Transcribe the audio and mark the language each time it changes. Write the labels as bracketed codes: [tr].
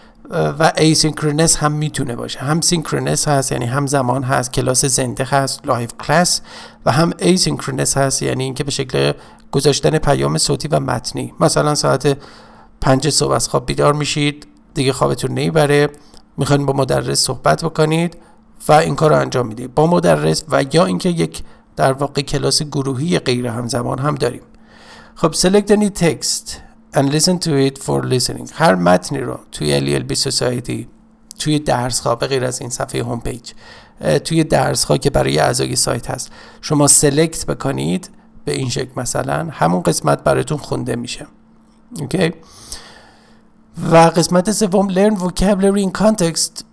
[fa] و ایسینکرونس هم میتونه باشه، هم سینکرونس هست یعنی هم زمان هست، کلاس زنده هست لایف کلاس، و هم ایسینکرونس هست یعنی اینکه به شکل گذاشتن پیام صوتی و متنی. مثلا ساعت 5 صبح از خواب بیدار میشید، دیگه خوابتون نمیبره، میخواین با مدرس صحبت بکنید و این کار رو انجام میدید با مدرس، و یا اینکه یک در واقع کلاس گروهی غیر همزمان هم داریم. [en] خب select any text and listen to it for listening. [fa] هر متنی رو توی LLB Society، توی درس ها، به غیر از این صفحه هومپیج، توی درس ها که برای اعضای سایت هست، شما select بکنید به این شکل، مثلا همون قسمت براتون خونده میشه. اوکی؟ و قسمت سوم learn vocabulary in context.